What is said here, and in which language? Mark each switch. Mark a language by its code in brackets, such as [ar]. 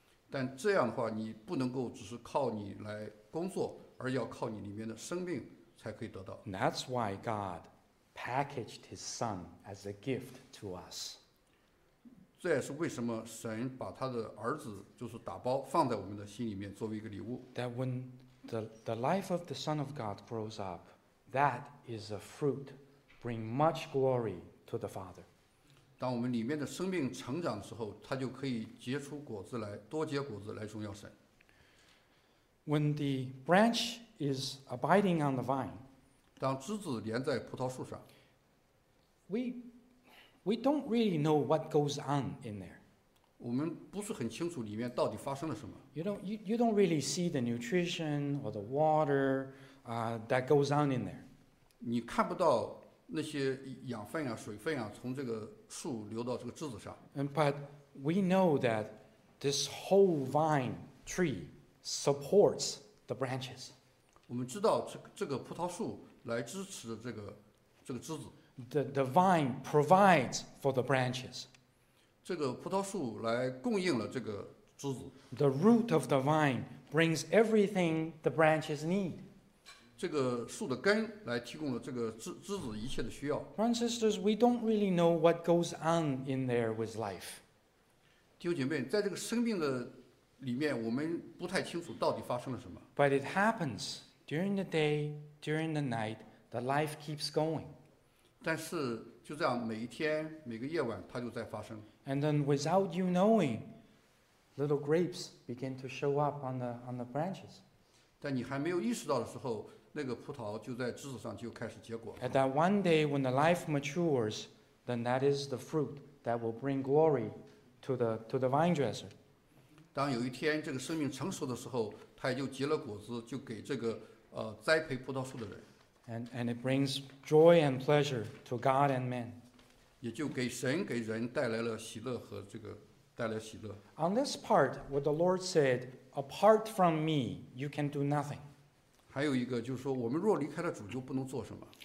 [zh] 但这样的话，你不能够只是靠你来工作，而要靠你里面的生命才可以得到。 [en] That's why God packaged His Son as a gift to us. [zh] 这也是为什么神把他的儿子就是打包放在我们的心里面作为一个礼物。 [en] That when the life of the Son of God grows up. That is a fruit, bring much glory to the Father. [zh] 当我们里面的生命成长的时候，它就可以结出果子来，多结果子来荣耀神。 [en] When the branch is abiding on the vine, [zh] 当枝子连在葡萄树上 [en] ，we don't really know what goes on in there. [zh] 我们不是很清楚里面到底发生了什么。 [en] You don't really see the nutrition or the water that goes on in there. [zh] 你看不到那些养分啊、水分啊从这个树流到这个枝子上。 [en] But we know that this whole vine tree supports the branches. [zh] 我们知道这个葡萄树来支持着这个枝子。 [en] The vine provides for the branches. [zh] 这个葡萄树来供应了这个枝子。 [en] The root of the vine brings everything the branches need. [zh] 这个树的根来提供了这个枝子一切的需要。 [en] Brothers and sisters, we don't really know what goes on in there with life. [zh] 弟兄姐妹，在这个生命的里面，我们不太清楚到底发生了什么。 [en] But it happens during the day, during the night, the life keeps going. [zh] 但是就这样每一天每个夜晚它就在发生。 [en] And then without you knowing, little grapes begin to show up on the branches. [zh] 但你还没有意识到的时候，那个葡萄就在枝子上就开始结果。 [en] And that one day when the life matures, then that is the fruit that will bring glory to the vine dresser. [zh] 当有一天这个生命成熟的时候，它也就结了果子，就给这个栽培葡萄树的人。 [en] And it brings joy and pleasure to God and men. [zh] 也就给神给人带来了喜乐和这个带来喜乐。 [en] On this part, what the Lord said, apart from me, you can do nothing. [zh] 还有一个就是说，我们若离开了主，就不能做什么。